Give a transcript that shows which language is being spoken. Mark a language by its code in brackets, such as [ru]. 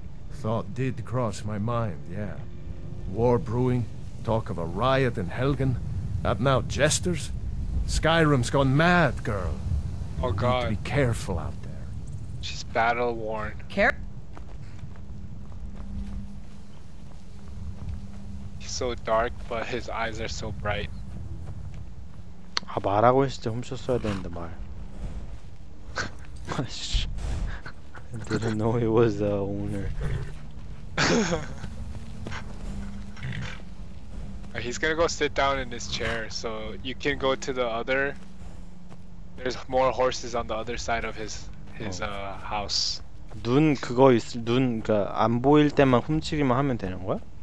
[en] Thought did cross my mind, yeah. War brewing, talk of a riot in Helgen, up now jesters. Skyrim's gone mad, girl. Oh, God. You need to be careful out there. She's battle-worn. Careful? So dark, but his eyes are so bright. [ko] 아 말하고 있을 때 훔쳤어야 되는데 말. [en] I didn't know he was the owner. He's gonna go sit down in his chair, so you can go to the other. There's more horses on the other side of his house. [ko] 눈 그거 있을 눈 그러니까 안 보일 때만 훔치기만 하면 되는 거야?